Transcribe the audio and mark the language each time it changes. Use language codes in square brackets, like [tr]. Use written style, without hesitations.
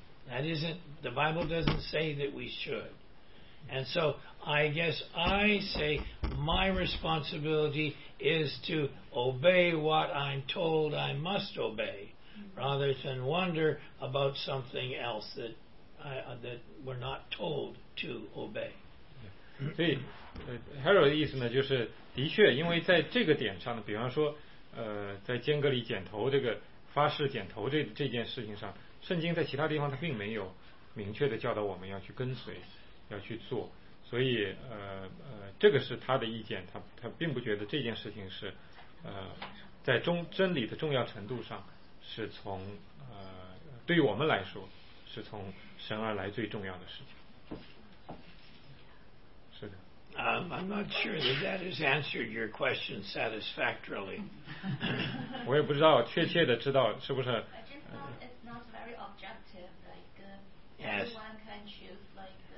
[en] The Bible doesn't say that we should. And so I guess I say my responsibility is to obey what I'm told I must obey, rather than wonder about something else that we're not told to obey. [zh] 所以Harold 的意思呢，就是的确，因为在这个点上呢，比方说，在间隔里剪头这个发誓剪头这件事情上，圣经在其他地方它并没有明确的教导我们要去跟随。要去做，所以这个是他的意见，他并不觉得这件事情是在真理的重要程度上是从对于我们来说是从神而来最重要的事情。是的。 [en] I'm not sure that has answered your question satisfactorily. [zh] 我也不知道确切的知道是不是。 [en] I just thought it's not very objective, like anyone can choose like.